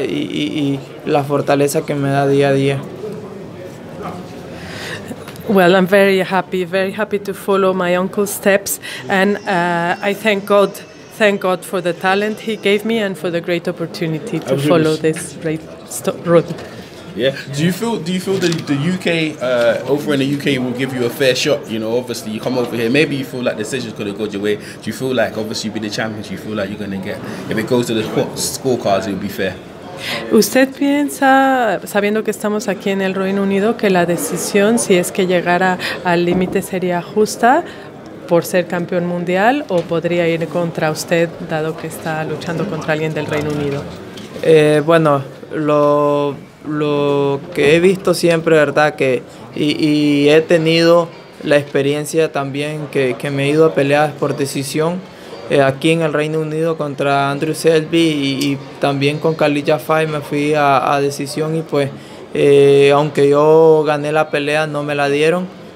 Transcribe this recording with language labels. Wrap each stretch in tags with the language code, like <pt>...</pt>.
<es>Y la fortaleza que me da día a día.</es> <en>Well, I'm very happy to follow my uncle's steps and I thank God. Thank God for the talent he gave me and for the great opportunity to follow this great road. Yeah. Do you feel the UK over in the UK will give you a fair shot? You know, obviously you come over here, maybe you feel like decisions could have gone your way. Do you feel like obviously you'd be the champions, you feel like you're gonna get, if it goes to the scorecards, it would be fair?</en> <es>¿Usted piensa, sabiendo que estamos aquí en el Reino Unido, que la decisión, si es que llegara al límite, sería justa? Por ser campeón mundial o podría ir contra usted dado que está luchando contra alguien del Reino Unido. Bueno, lo que he visto siempre, verdad, que y he tenido la experiencia también que me he ido a pelear por decisión aquí en el Reino Unido contra Andrew Selby y también con Khalid Jafai me fui a decisión y pues aunque yo gané la pelea no me la dieron.</es>